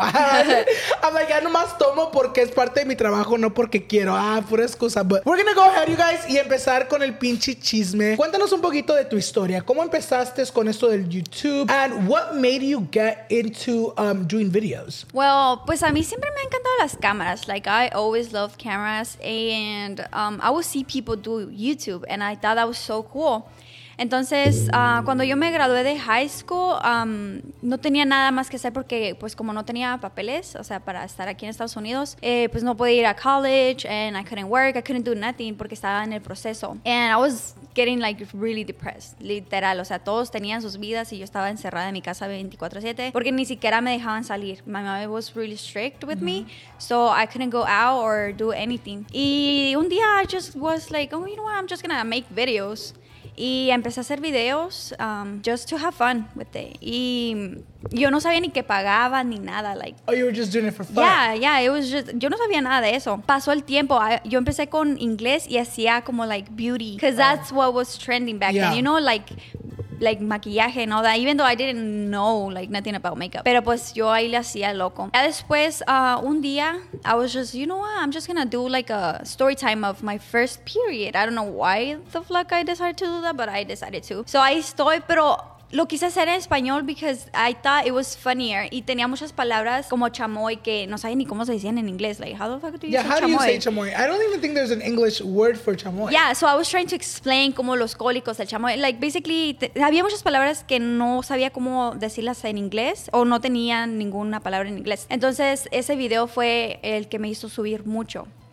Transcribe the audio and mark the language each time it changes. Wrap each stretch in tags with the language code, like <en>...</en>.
<es>I'm like, ya nomás tomo porque es parte de mi trabajo. No porque quiero, pura excusa. But we're gonna go ahead, you guys, y empezar con el pinche chisme. Cuéntanos un poquito de tu historia. ¿Cómo empezaste con esto del YouTube?</es> <en>And what made you get into doing videos?</en> <es>Well, pues a mí siempre me han encantado las cámaras. Like, I always loved cameras.</es> <en>And I would see people do YouTube. And I thought that was so cool.</en> <es>Entonces, cuando yo me gradué de high school, no tenía nada más que hacer porque, pues, como no tenía papeles, o sea, para estar aquí en Estados Unidos, pues, no podía ir a college, and I couldn't work, I couldn't do nothing porque estaba en el proceso. And I was getting, like, really depressed, literal. O sea, todos tenían sus vidas y yo estaba encerrada en mi casa 24/7 porque ni siquiera me dejaban salir.</es> <en>My mom was really strict with me, so I couldn't go out or do anything. Y un día I just was like, oh, you know what, I'm just gonna make videos.</en> <es>Y empecé a hacer videos just to have fun with it. Y yo no sabía ni que pagaba ni nada.</es> <en>Like, oh, you were just doing it for fun.</en> <es>Yeah, yeah. It was just,</es> <en>yo no sabía nada de eso. Pasó el tiempo.</en> <es>Yo empecé con inglés y hacía como like beauty.</es> <en>Because that's what was trending back then. You know, like maquillaje and all that. Even though I didn't know like nothing about makeup. Pero pues yo ahí le hacía loco. Y después, un día, I was just, you know what? I'm just gonna do like a story time of my first period. I don't know why the fuck I decided to do that, but I decided to. So ahí estoy, pero</en> <es>Lo quise hacer en español because I thought it was funnier. Y tenía muchas palabras como chamoy que no sabía ni cómo se decían en inglés.</es> <en>Like, how the fuck do you say chamoy? Yeah, how do you say chamoy? I don't even think there's an English word for chamoy. Yeah, so I was trying to explain como los cólicos del chamoy.</en> <es>Like, basically, había muchas palabras que no sabía cómo decirlas en inglés o no tenía ninguna palabra en inglés. Entonces, ese video fue el que me hizo subir mucho.</es>